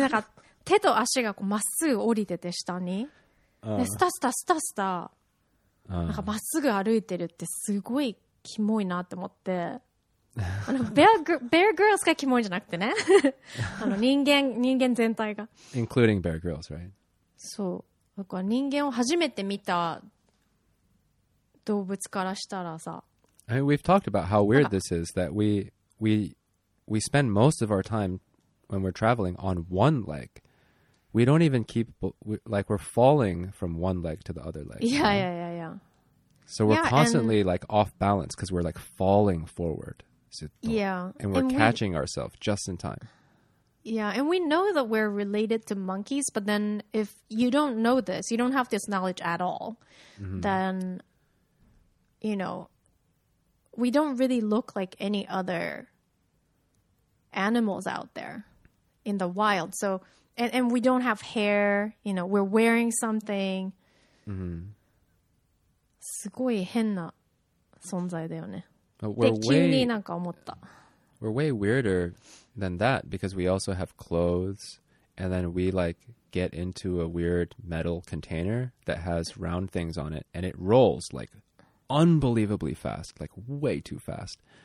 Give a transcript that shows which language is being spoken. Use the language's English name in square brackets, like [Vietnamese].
[Japanese] なんか手と足がまっすぐ降りてて下に、でスタスタスタスタなんかまっすぐ歩いてるってすごいキモいなって思って、あのベアグリルズがキモいじゃなくてねあの人間全体が [English] including Bear Grylls, right? [Japanese] そう、だから人間を初めて見た動物からしたらさ、 [English] I mean, we've talked about how weird this is that we spend most of our time when we're traveling on one leg. We don't even keep like we're falling from one leg to the other leg. Yeah, right? Yeah, yeah, yeah. So we're constantly like off balance because we're like falling forward. Yeah, and we're catching ourselves just in time. Yeah, and we know that we're related to monkeys, but then if you don't know this, you don't have this knowledge at all, then, you know, we don't really look like any other animals out there in the wild. So, and we don't have hair, you know, we're wearing something. [Japanese] すごい変な存在だよね。 [English] We're way weirder than that because we also have clothes, and then we like get into a weird metal container that has round things on it, and it rolls like unbelievably fast, like way too fast.